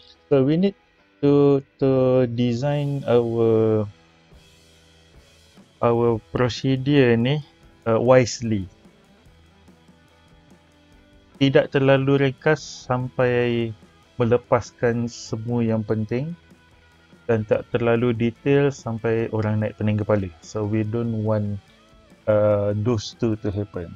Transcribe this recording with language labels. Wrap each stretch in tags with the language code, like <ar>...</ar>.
<en>So we need to design our procedure ni wisely.</en> <ms>Tidak terlalu ringkas sampai melepaskan semua yang penting, dan tak terlalu detail sampai orang naik pening kepala.</ms> <en>So we don't want those two to happen.</en>